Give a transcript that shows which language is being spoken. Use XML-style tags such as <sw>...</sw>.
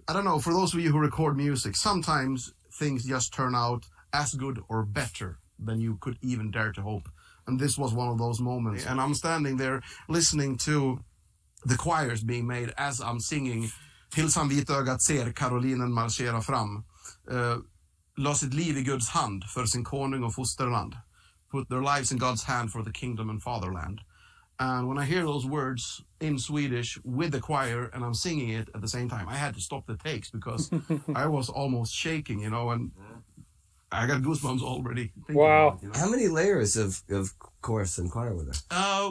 <en>I don't know, for those of you who record music, sometimes things just turn out as good or better than you could even dare to hope. And this was one of those moments. And I'm standing there listening to the choirs being made as I'm singing</en> <sv>"Tills han vit ögat ser, Carolinen marscherar fram. La sitt liv I Guds hand för sin konung och fosterland.</sv> <en>Put their lives in God's hand for the kingdom and fatherland." And when I hear those words in Swedish with the choir and I'm singing it at the same time, I had to stop the takes because I was almost shaking, you know, and I got goosebumps already. Wow. About, you know? How many layers of chorus and choir were there?</en>